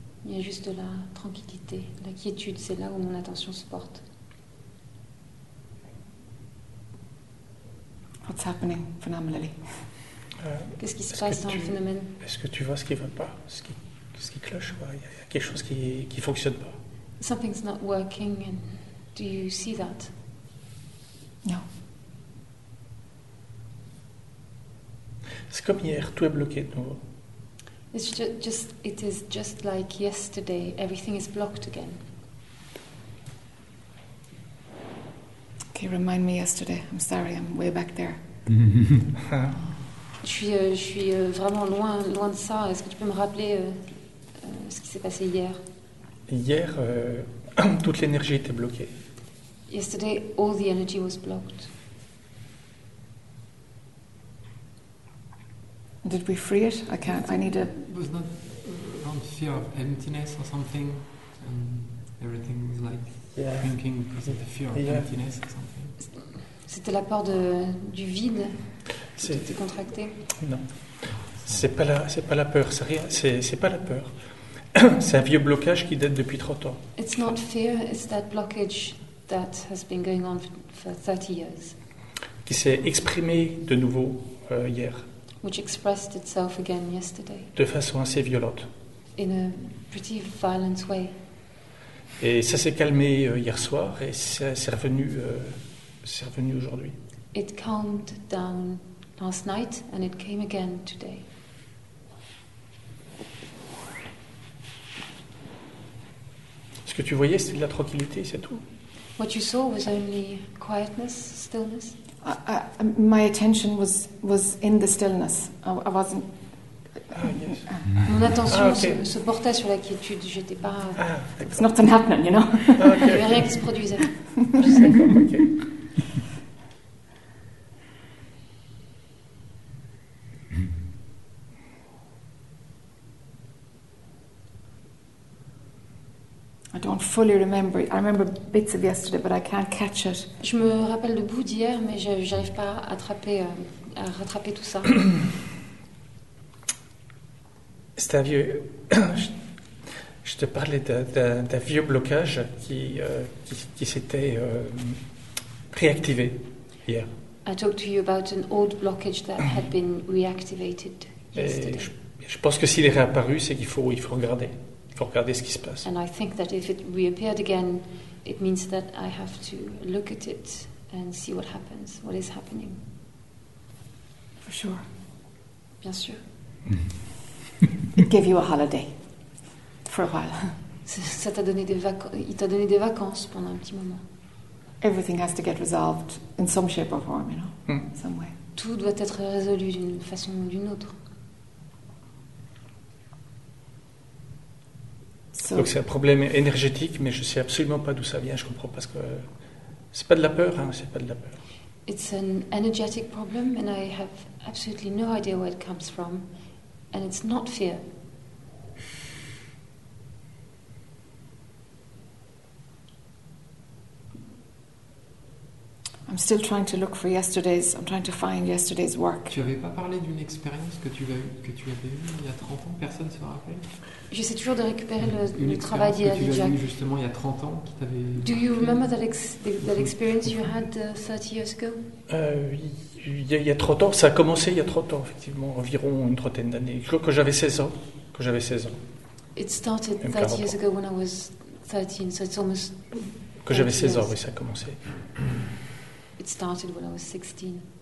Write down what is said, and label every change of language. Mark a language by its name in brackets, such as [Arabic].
[French] Il y a juste de la tranquillité, la quiétude. C'est là où mon attention se porte. [English] What's happening phenomenally? [French] Qu'est-ce qui se passe dans le phénomène? Est-ce que tu vois ce qui ne va pas, ce qui cloche, quoi? Il y a quelque chose qui ne fonctionne pas. [English] Something's not working, and do you see that? No. [French] C'est comme hier, tout est bloqué de nouveau. [English] It's just it is just like yesterday, everything is blocked again. Okay, remind me yesterday. I'm sorry, I'm way back there. [French] je suis vraiment loin de ça. Est-ce que tu peux me rappeler ce qui s'est passé hier? Hier, toute l'énergie était bloquée. [English] Yesterday, all the energy was blocked. Did we free it? I can't. I need a. Was not around fear of emptiness or something, and everything was like shrinking because of the fear of emptiness or something. [French] C'était la peur du vide. C'était contracté. Non, c'est pas la peur. C'est rien. C'est pas la peur. C'est un vieux blocage qui date depuis 30 ans. [English] It's not fear, it's that blockage that has been going on for 30 years. [French] Qui s'est exprimé de nouveau hier. [English] Which expressed itself again yesterday. [French] De façon assez violente. [English] In a pretty violent way. [French] Et ça s'est calmé hier soir et c'est revenu aujourd'hui. [English] It calmed down last night and it came again today. [French] Ce que tu voyais, c'était de la tranquillité, c'est tout. [English] What you saw was only quietness, stillness. My attention was in the stillness. I wasn't. [French] Mon attention se portait sur la quiétude. J'étais pas. Ah, [English] it's not an happening, you know. [French] Il n'y avait rien qui se produisait. [English] I don't fully remember. I remember bits of yesterday, but I can't catch it. [French] Je me rappelle le bout d'hier, mais j'arrive pas à rattraper tout ça. C'était un vieux. Je te parlais d'un vieux blocage qui s'était réactivé hier. [English] I talked to you about an old blockage that had been reactivated yesterday. [French] Je pense que s'il est réapparu, c'est qu'il faut regarder. Pour regarder ce qui se passe. [English] And I think that if it reappeared again, it means that I have to look at it and see what happens, what is happening. For sure. [French] Bien sûr. [English] It gave you a holiday for a while. [French] Ça t'a donné des vacances. Il t'a donné des vacances pendant un petit moment. [English] Everything has to get resolved in some shape or form, you know, some way. [French] Tout doit être résolu d'une façon ou d'une autre. So, donc c'est un problème énergétique, mais je sais absolument pas d'où ça vient. Je comprends pas ce que c'est pas de la peur, hein. C'est pas de la peur. [English] It's an energetic problem, and I have absolutely no idea where it comes from, and it's not fear. I'm still trying to look for yesterday's. I'm trying to find yesterday's work. [French] Tu n'avais pas parlé d'une expérience que tu avais eue il y a 30 ans. Personne ne se rappelle. J'essaie toujours de récupérer le travail d'hier, Jack. Une expérience que tu as eue justement il y a 30 ans qui t'avait. [English] Do you remember that experience you had 30 years ago? [French] Il y a 30 ans. Ça a commencé il y a 30 ans, effectivement, environ une trentaine d'années. Quand j'avais 16 ans. [English] It started 30 years ago when I was 13. So it's almost. [French] Quand j'avais 16 ans, oui, ça a commencé. [English] It started when I was 16.